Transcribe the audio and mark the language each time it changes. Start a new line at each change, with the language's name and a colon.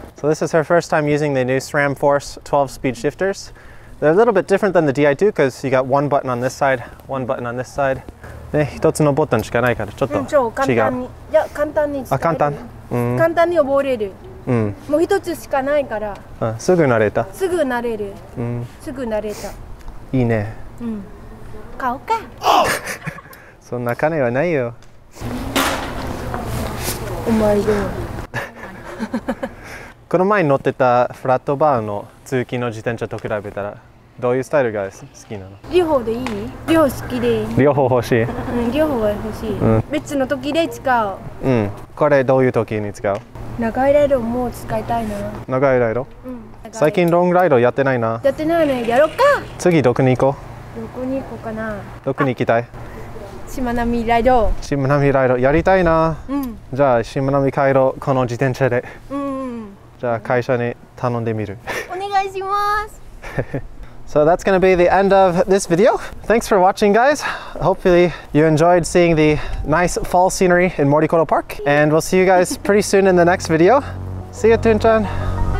English: So this is her first time using the new SRAM Force 12 speed shifters. They're a little bit different than the DI2 because you got one button on this side, one button on this side.
Japanese: ね、一つのボタンしかないからちょっと違う。簡単に、いや簡単に使える。あ、簡単。簡単に覚えれる。もう一つしかないから。すぐ慣れた。すぐ慣れる。すぐ慣れた。いいね。買おうか。そんな金はないよ。お前が。この前乗ってたフラットバーの通勤の自転車と比べたらどういうスタイルが好きなの？両方でいい？両方好きで。両方欲しい。両方欲しい。別の時で使う。これどういう時に使う？長いライドもう使いたいな。長いライド？最近ロングライドやってないな。やってないね。やろっか。次どこに行こう？どこに行こうかな。どこに行きたい？しまなみライド。しまなみライドやりたいな。じゃあしまなみ帰ろう、この自転車で。じゃあ会社に頼んでみる。お願いします。
English: So that's going to be the end of this video. Thanks for watching, guys. Hopefully you enjoyed seeing the nice fall scenery in Morikoro Park. And we'll see you guys pretty soon in the next video. See you, Thuong-chan.